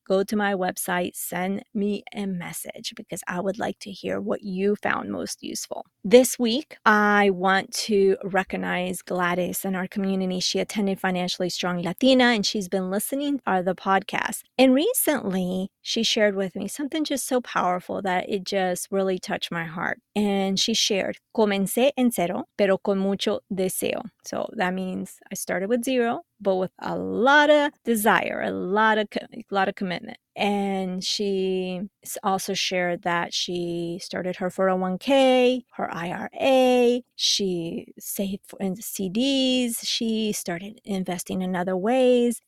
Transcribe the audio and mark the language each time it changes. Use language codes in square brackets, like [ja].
[en] Go to my website, send me a message because I would like to hear what you found most useful. This week, I want to recognize Gladys in our community. She attended Financially Strong Latina and she's been listening to the podcast. And recently, she shared with me something just so powerful that it just really touched my heart. And she shared, [es] comencé en cero, pero con mucho deseo. [en] So that means I started with zero, but with a lot of desire, a lot of commitment. And she also shared that she started her 401k, her IRA, she saved in CDs, she started investing in other ways.